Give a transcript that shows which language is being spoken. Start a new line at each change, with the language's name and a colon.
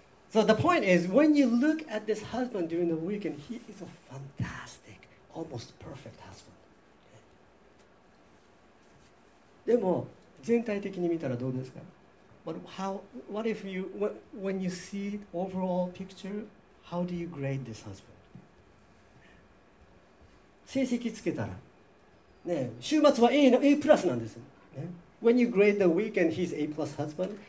English: So the point is, when you look at this husband during the weekend, he is a fantastic, almost perfect husband.
Japanese: でも全体的に見たらどうですか？
English: What if you, when you see the overall picture, how do you grade this husband?
Japanese: 成績つけたら、ね、週末は A プラスなんですよ、ね。
English: When you grade the weekend, he's A plus husband.